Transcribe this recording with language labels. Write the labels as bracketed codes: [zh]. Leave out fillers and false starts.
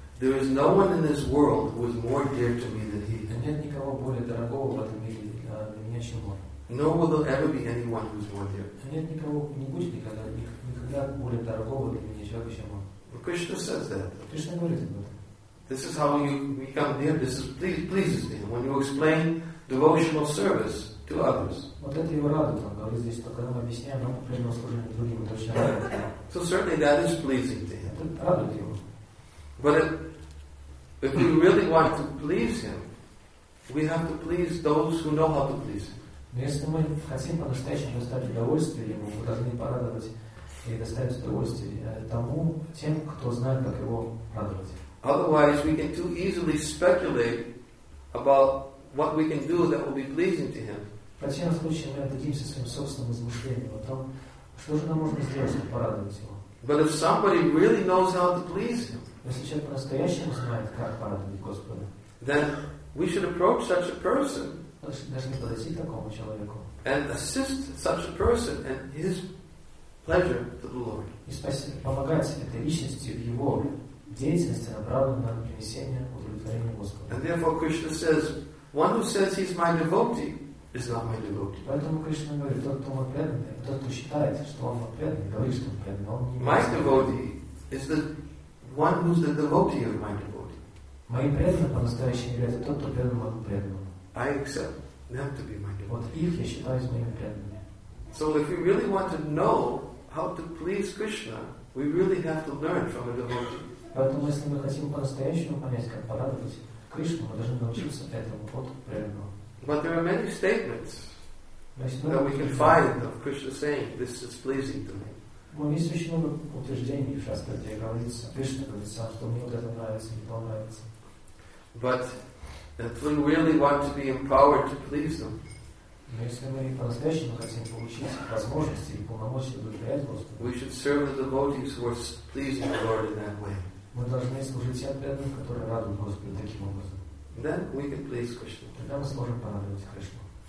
[en] There is no one in this world who is more dear to me than he. [ru] Нет никого более дорогого в этом мире для меня, чем он. [en] Nor will there ever be anyone who is more dear. [ru] Нет никого, не будет никогда, никогда более дорогого для меня человека, чем он. [en] But Krishna says that. [ru] Кришна говорит об этом. [en] This is how you become dear. This is pleases me when you explain devotional service to others. [ru] Вот это его радует, он говорит здесь, что когда мы объясняем, он принял служение другим душам. [en] So certainly that is pleasing to him. [ru] Это радует его. [en] But if we really want to please him, we have to please those who know how to please him. [ru] Но если мы хотим по-настоящему доставить удовольствие ему, мы должны порадовать и доставить удовольствие тому, тем, кто знает, как его радовать. [en] Otherwise, we can too easily speculate about what we can do that will be pleasing to him. [ru] В противном случае мы отдадимся своим собственным размышлениям о том, что же нам можно сделать, чтобы порадовать его. [en] But if somebody really knows how to please him, [ru] если человек по-настоящему знает, как порадовать Господа, [en] then we should approach such a person, [ru] должны подойти к такому человеку, [en] and assist such a person in his pleasure to the Lord. [ru] И помогать этой личности в его деятельности, направленной на принесение удовлетворения Господа. [en] And therefore Krishna says, one who says he's my devotee is not my devotee. [ru] Поэтому Кришна говорит, тот, кто мой преданный, тот, кто считает, что он мой преданный, говорит, что он преданный, он не [en] my devotee is the one who's the devotee of my devotee. [ru] Мои преданные по-настоящему являются тот, кто предан моему преданному. [en] I accept them to be my devotee. [ru] Вот их я считаю моими преданными. [en] So if you really want to know how to please Krishna, we really have to learn from a devotee. [ru] Поэтому если мы хотим по-настоящему понять, как порадовать Кришну, мы должны научиться этому вот преданному. [en] But there are many statements that we can find of Krishna saying, this is pleasing to me. [ru] Но есть очень много утверждений в шастре, где говорится, Кришна говорит сам, что мне вот это нравится, мне то нравится. [en] But if we really want to be empowered to please them, [ru] но если мы по-настоящему хотим получить возможности и полномочия удовлетворять Господа, [en] we should serve the devotees who are pleasing the Lord in that way. [ru] Мы должны служить тем преданным, которые радуют Господа таким образом. [en] Then we can please Krishna. [ru] Тогда мы сможем порадовать Кришну.